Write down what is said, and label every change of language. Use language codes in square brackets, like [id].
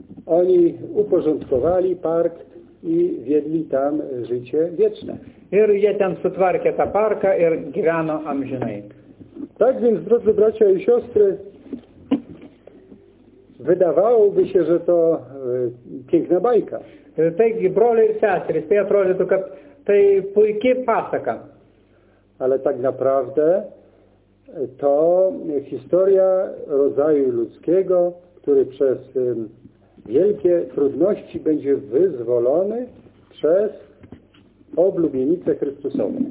[pl] Oni uporządkovali park i viedli tam życie wieczne. [lt] Ir jie ten sutvarkė tą parką ir gyveno amžinai. [pl] Tak więc, drodzy bracia i siostry, wydawałoby się, że to piękna bajka. [lt] Taigi, broliai ir seserys, tai atrodytų, kad tai puiki pasaka. [pl] Ale tak naprawdę to historia rodzaju ludzkiego, który przez wielkie trudności będzie wyzwolony przez oblubienicę Chrystusową.